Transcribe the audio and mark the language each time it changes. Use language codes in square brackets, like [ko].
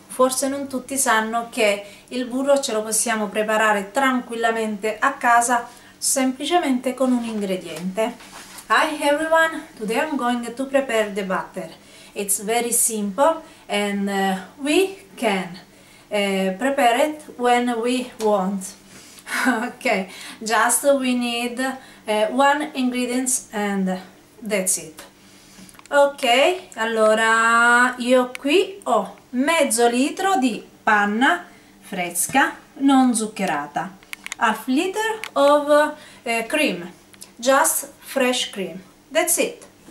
[it] Forse non tutti sanno che il burro ce lo possiamo preparare tranquillamente a casa semplicemente con un ingrediente. [en] Hi everyone, today I'm going to prepare the butter. It's very simple and we can prepare it when we want. Okay, just we need one ingredients and that's it. [it] Ok, allora io qui ho mezzo litro di panna fresca, non zuccherata. [en] Half liter of cream, just fresh cream. That's it.